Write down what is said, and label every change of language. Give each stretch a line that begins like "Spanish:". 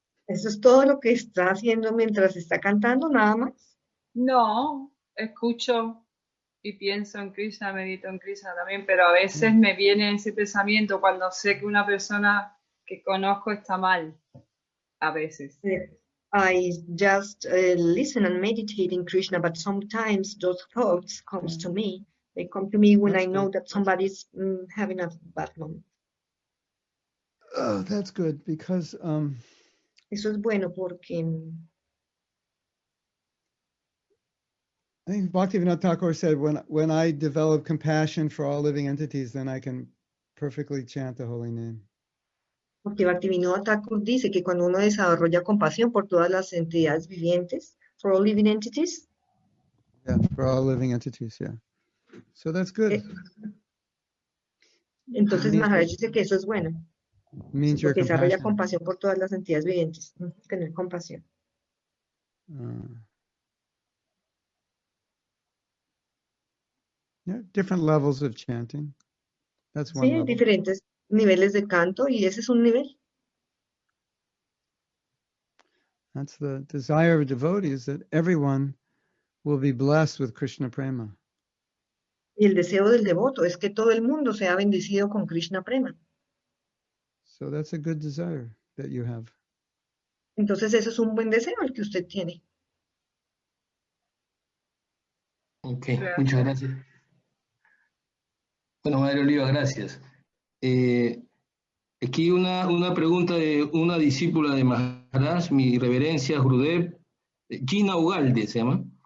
Spanish: Eso es todo lo que está haciendo mientras está cantando, nada más. No, escucho y pienso en Krishna, medito en Krishna también, pero a veces me viene ese pensamiento cuando sé que una persona que conozco está mal, a veces.
English: I just listen and meditate in Krishna, but sometimes those thoughts come to me. They come to me when I know that somebody is having a bad moment. That's good, because...
Spanish: Eso es bueno porque...
English: I think Bhaktivinoda Thakur said, when I develop compassion for all living entities, then I can perfectly chant the holy name.
Spanish: Porque Bhaktivinoda Thakur dice que cuando uno desarrolla compasión por todas las entidades vivientes,
English: for all living entities. Yeah, for all living entities, yeah. So that's good.
Spanish: Entonces Maharaj dice que eso es bueno.
English: Means
Spanish: porque
English: your
Spanish: desarrolla compasión por todas las entidades vivientes. Tener compasión.
English: Yeah, different levels of chanting. That's one
Spanish: sí,
English: level.
Spanish: Diferentes niveles de canto, y ese es un nivel.
English: That's the desire of devotees, that everyone will be blessed with Krishna Prema.
Spanish: Y el deseo del devoto es que todo el mundo sea bendecido con Krishna Prema.
English: So that's a good desire that you have.
Spanish: Entonces ese es un buen deseo el que usted tiene. Ok, gracias. Muchas gracias. Bueno, Madre Oliva, gracias. Aquí una pregunta de una discípula de Maharaj, mi reverencia, Gurudev, Gina Ugalde se llama.